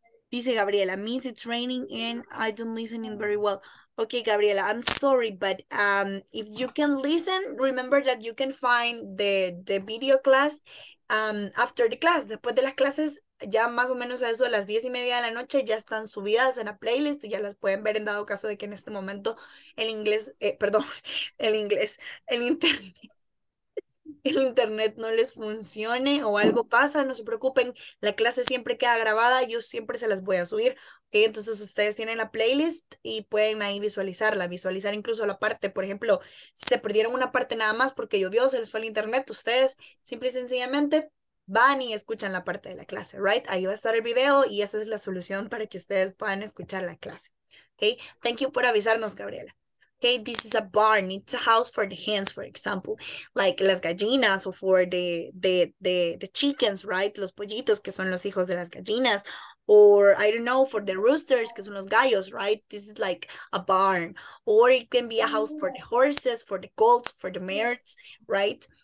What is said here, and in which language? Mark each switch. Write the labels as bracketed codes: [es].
[es] Dice [en] Gabriela, means it's raining and I don't listen in very well. Okay, Gabriela, I'm sorry, but if you can listen, remember that you can find the video class after the class. [es] Después de las clases, ya más o menos a eso, a las 10:30 de la noche, ya están subidas en la playlist y ya las pueden ver en dado caso de que en este momento el inglés, perdón, el inglés, el internet no les funcione o algo pasa, no se preocupen, la clase siempre queda grabada, yo siempre se las voy a subir, ok, entonces ustedes tienen la playlist y pueden ahí visualizarla, visualizar incluso la parte, por ejemplo, si se perdieron una parte nada más porque llovió, se les fue el internet, ustedes simple y sencillamente van y escuchan la parte de la clase, right, ahí va a estar el video y esa es la solución para que ustedes puedan escuchar la clase, ok, [en] thank you [es] por avisarnos, Gabriela. [en] Okay, this is a barn. It's a house for the hens, for example, like [es] las gallinas, [en] or for the chickens, right? [es] Los pollitos, que son los hijos de las gallinas, [en] or I don't know, for the roosters, [es] que son los gallos, right? [en] This is like a barn, or it can be a house for the horses, for the colts, for the mares, right?